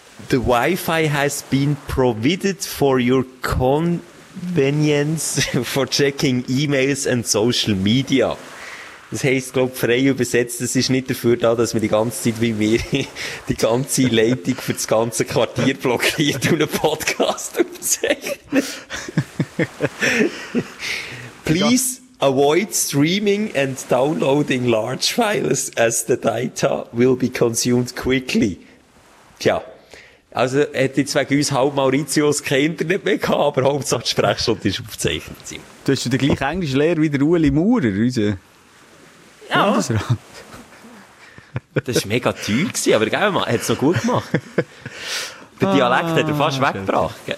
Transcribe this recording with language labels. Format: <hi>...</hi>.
<en>The Wi-Fi has been provided for your convenience for checking E-Mails and Social Media.</en> <de>Das heisst, glaub, frei übersetzt, das ist nicht dafür da, dass wir die ganze Zeit wie wir die ganze Leitung für das ganze Quartier blockiert und einen Podcast aufzeichnen.</de> <en>Please avoid streaming and downloading large files as the data will be consumed quickly.</en> <de>Tja. Also, hätte ich wegen uns halb Mauritius kein Internet mehr gehabt, aber Hauptsache die Sprechstunde ist aufzeichnet. Du hast ja den gleichen englischen Lehrer wie der Ueli Maurer, unser Bundesrat. Ja. Das war mega teuer gewesen, aber gell, man hat es noch gut gemacht. Der Dialekt hat er fast weggebracht.</de>